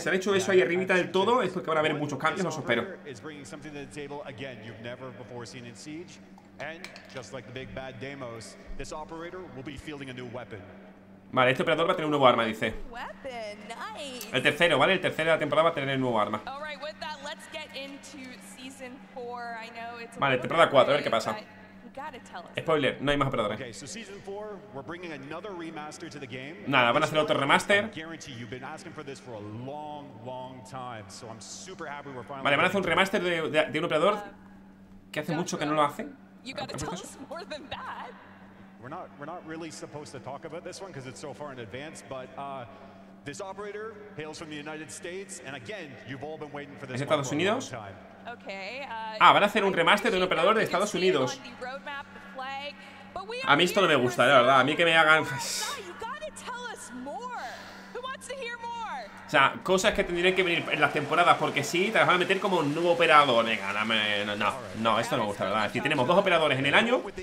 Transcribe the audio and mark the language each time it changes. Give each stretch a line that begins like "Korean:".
Spanish: Se ha hecho eso ahí arribita del todo, es porque van a haber muchos cambios, no os espero.
English: And just like the big bad Deimos, this operator will be fielding a new weapon.
Spanish: Vale, este operador va a tener un nuevo arma, dice.
English: Weapon, nice.
Spanish: El tercero, ¿vale? El tercero de la temporada va a tener el nuevo arma.
English: All right, with that, let's get into season 4. I know it's
Spanish: vale, temporada 4, a ver qué pasa. Spoiler, no hay más operadores.
English: Okay, so season 4, we're bringing another remaster to the game.
Spanish: Nada, van a hacer otro remaster.
English: I guarantee you've been asking for this for a long, long time, so I'm super happy we're finally.
Spanish: Vale, van a hacer un remaster de un operador que hace mucho que no lo hacen.
English: You gotta tell us more than that. We're not really supposed to talk about this one because it's so far in advance, but this operator hails from the United States, and again, you've all been waiting for this one for a long time. Okay,
Spanish: van a hacer un remaster de un operador de Estados Unidos.
English: Roadmap, flag, but we
Spanish: a mí esto no me gusta, la verdad. A mí que me hagan.
English: You gotta tell us more. Who wants to hear more?
Spanish: O sea, cosas que tendrían que venir en las temporadas, porque sí, te las van a meter como un nuevo operador. Venga, no, esto no me gusta, ¿verdad? Es decir, tenemos dos operadores en el año.